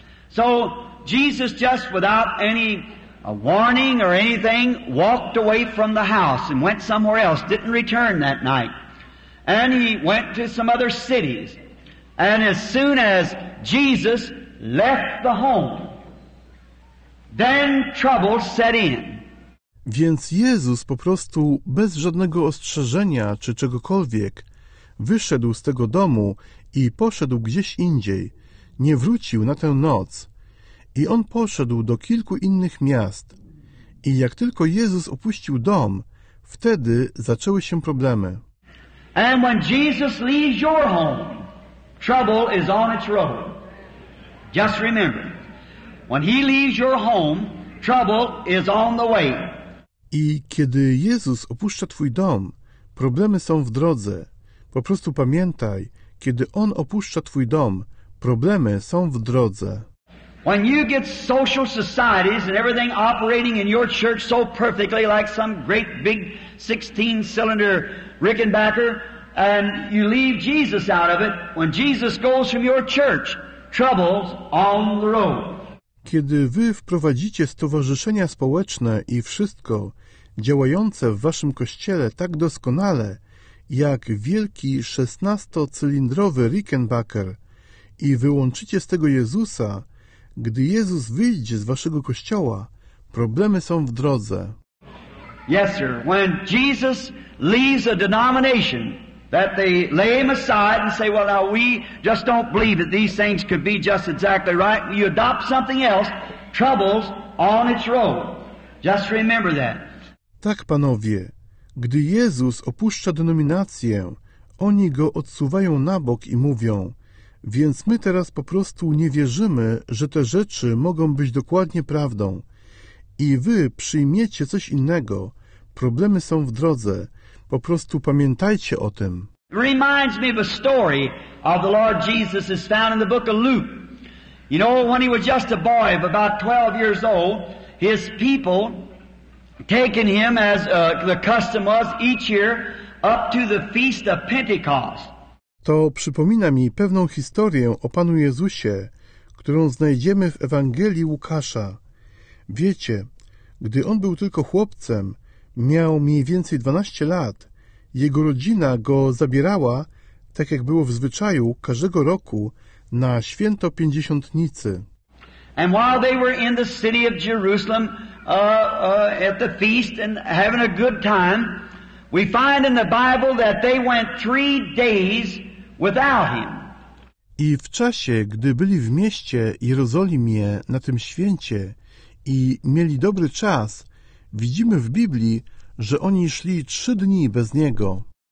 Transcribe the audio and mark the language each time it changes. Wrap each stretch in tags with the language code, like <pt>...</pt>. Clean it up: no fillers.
<en>So Jesus just without any warning or anything walked away from the house and went somewhere else, didn't return that night. And he went to some other cities. And as soon as Jesus left the home, then trouble set in.</en> <pl>Więc Jezus po prostu bez żadnego ostrzeżenia czy czegokolwiek wyszedł z tego domu i poszedł gdzieś indziej. Nie wrócił na tę noc. I on poszedł do kilku innych miast. I jak tylko Jezus opuścił dom, wtedy zaczęły się problemy.</pl> <en>And when Jesus leaves your home, trouble is on its road. Just remember, when he leaves your home, trouble is on the way.</en> <pl>I kiedy Jezus opuszcza twój dom, problemy są w drodze. Po prostu pamiętaj, kiedy On opuszcza twój dom, problemy są w drodze.</pl> <en>When you get social societies and everything operating in your church so perfectly like some great big 16-cylinder Rickenbacker, and you leave Jesus out of it, when Jesus goes from your church, trouble's on the road.</en> <pl>Kiedy wy wprowadzicie stowarzyszenia społeczne i wszystko działające w waszym kościele tak doskonale, jak wielki 16-cylindrowy Rickenbacker i wyłączycie z tego Jezusa, gdy Jezus wyjdzie z waszego kościoła, problemy są w drodze.</pl> <en>Yes, sir. When Jesus leaves a denomination that they lay him aside and say, well, now we just don't believe that these things could be just exactly right, you adopt something else, trouble's on its road. Just remember that.</en> <pl>Tak, panowie, gdy Jezus opuszcza denominację, oni go odsuwają na bok i mówią, więc my teraz po prostu nie wierzymy, że te rzeczy mogą być dokładnie prawdą. I wy przyjmiecie coś innego. Problemy są w drodze. Po prostu pamiętajcie o tym.</pl> <en>Reminds me of a story of the Lord Jesus is found in the book of Luke. You know, when he was just a boy of about 12 years old, his people taken him, as the custom was each year, up to the feast of Pentecost.</en> <pl>To przypomina mi pewną historię o Panu Jezusie, którą znajdziemy w Ewangelii Łukasza. Wiecie, gdy on był tylko chłopcem, miał mniej więcej 12 lat, jego rodzina go zabierała, tak jak było w zwyczaju, każdego roku na święto Pięćdziesiątnicy.</pl> <en>And while they were in the city of Jerusalem, at the feast and having a good time, we find in the Bible that they went 3 days without him.</en> <pl>I w czasie, gdy byli w mieście Jerozolimie na tym święcie i mieli dobry czas, widzimy w Biblii, że oni szli 3 dni bez niego.</pl>